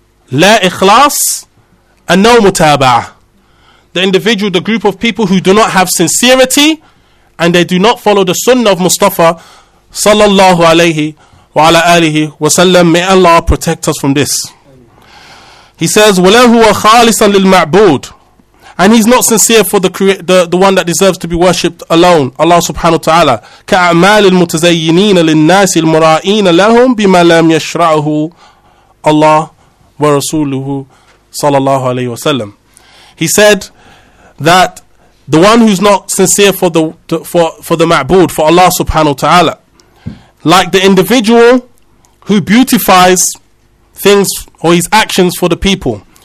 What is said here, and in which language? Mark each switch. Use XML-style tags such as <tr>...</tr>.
<ar>لا إخلاص</ar> <en>and no</en> <ar>متابعة.</ar> <en>The individual, the group of people who do not have sincerity and they do not follow the sunnah of Mustafa sallallahu alayhi wa ala alihi wa sallam. May Allah protect us from this. He says,</en> <ar>وَلَهُ وَخَالِصًا لِلْمَعْبُودِ.</ar> <en>And he's not sincere for the one that deserves to be worshipped alone, Allah subhanahu wa ta'ala.</en> <ar>كَأَعْمَالِ الْمُتَزَيِّنِينَ لِلنَّاسِ الْمُرَائِينَ لَهُمْ بِمَا لَمْ يَشْرَعُهُ اللَّهُ وَرَسُولُهُ صَلَى اللَّهُ عَلَيْهِ وَسَلَّمْ.</ar> <en>He said that the one who's not sincere for the ma'bud, for Allah subhanahu wa ta'ala, like the individual who beautifies things or his actions for the people.</en>